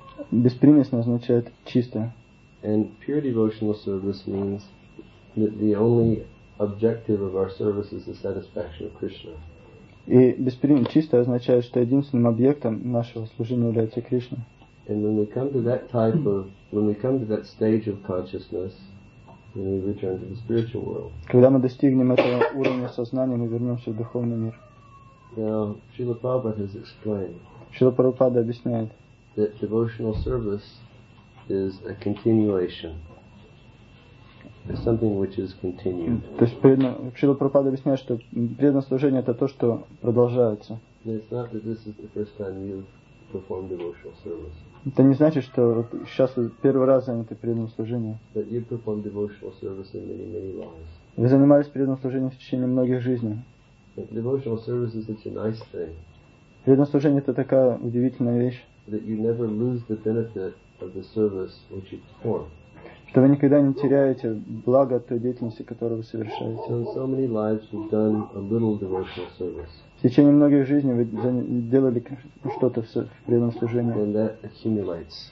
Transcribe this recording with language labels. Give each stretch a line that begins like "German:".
Russian: Беспримесно означает чисто.
English: And pure devotional service means that the only objective of our service is the satisfaction of Krishna.
Russian: И беспримесно чисто означает, что единственным объектом нашего служения является Кришна.
English: And when we come to that type of, when we come to that stage of consciousness, then we return to the spiritual world.
Russian: Когда мы достигнем этого уровня сознания, мы вернемся в духовный мир.
English: Now, Srila Prabhupada has explained.
Russian: Srila Prabhupada объясняет.
English: That devotional service is a continuation. It's something which is continued.
Russian: То есть Шрила Прабхупада объясняет, что преданное служение — это то, что продолжается.
English: It's not that this is the first time you've performed devotional service.
Russian: Это не значит, что сейчас вы первый раз заняты преданным служением.
English: That you've performed devotional service in many, many lives.
Russian: Вы занимались преданным служением в течение многих жизней.
English: But devotional service is such a nice thing.
Russian: Преданное служение — это такая удивительная вещь.
English: That you never lose the benefit of the service which you perform.
Russian: Что вы никогда не теряете благо от той деятельности, которую вы совершаете. В течение многих жизней вы делали что-то в преданном служении.